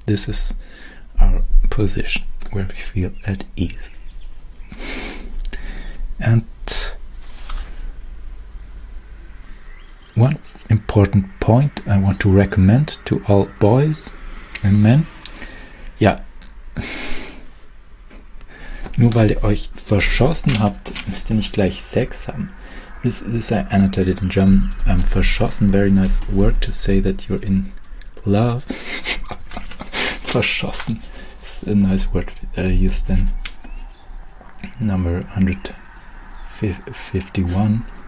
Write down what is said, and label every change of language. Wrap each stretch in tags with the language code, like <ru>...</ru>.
<en>This is our position where we feel at ease. And one important point I want to recommend to all boys and men. Yeah.</en> <de>Nur weil ihr euch verschossen habt, müsst ihr nicht gleich Sex haben.</de> <en>This is, I annotated in German, verschossen, very nice word to say that you're in love. Verschossen is a nice word that I used in number 151.</en>